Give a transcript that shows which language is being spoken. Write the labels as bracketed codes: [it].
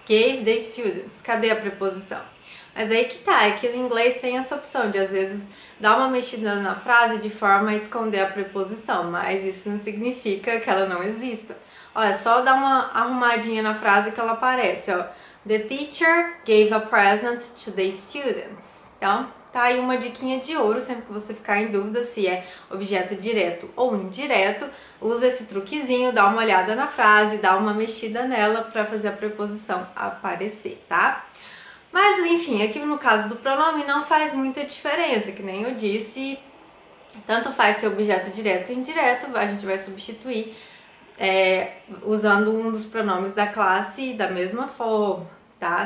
[en] Gave the students. [pt] Cadê a preposição? Mas aí que tá, é que no inglês tem essa opção de, às vezes, dá uma mexida na frase de forma a esconder a preposição, mas isso não significa que ela não exista. Olha, só dá uma arrumadinha na frase que ela aparece, ó. [en] The teacher gave a present to the students. [pt] Então, tá aí uma diquinha de ouro, sempre que você ficar em dúvida se é objeto direto ou indireto, usa esse truquezinho, dá uma olhada na frase, dá uma mexida nela pra fazer a preposição aparecer, tá? Mas, enfim, aqui no caso do pronome não faz muita diferença, que nem eu disse, tanto faz ser objeto direto ou indireto, a gente vai substituir usando um dos pronomes da classe da mesma forma, tá?